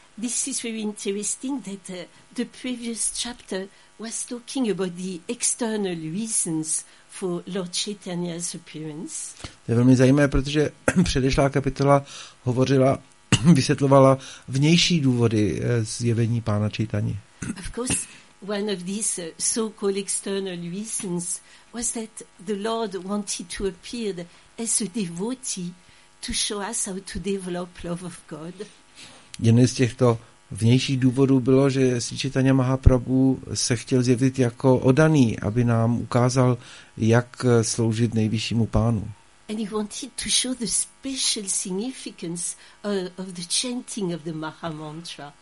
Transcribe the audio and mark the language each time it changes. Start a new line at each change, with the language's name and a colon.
English: This is very interesting that the previous chapter was talking about the external reasons for Lord Chaitanya's appearance.
Czech: To je velmi zajímavé, protože předešlá kapitola hovořila, vysvětlovala vnější důvody zjevení pána Chaitany.
English: Of course, one of these so-called external reasons was that the Lord wanted to appear as a devotee to show us how to develop love of God.
Czech: Jeden z těchto vnějších důvodů bylo, že Sri Chaitanya Mahaprabhu se chtěl zjevit jako oddaný, aby nám ukázal, jak sloužit nejvyššímu pánu.
English: And he wanted to show the special significance of the chanting of the Maha Mantra.